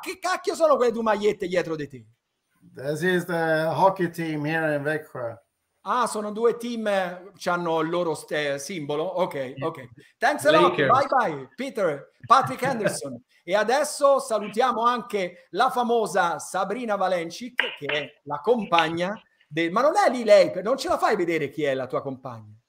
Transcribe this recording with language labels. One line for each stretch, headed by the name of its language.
Italian: Che cacchio sono quelle due magliette dietro di te?
English: This is the hockey team here in Växjö.
Italian: Ah, sono due team, hanno il loro simbolo.
English: Ok. Thanks a lot. Bye. Patrick Anderson.
Italian: E adesso salutiamo anche la famosa Sabrina Valencik, che è la compagna ma non è lì lei, non ce la fai vedere chi è la tua compagna?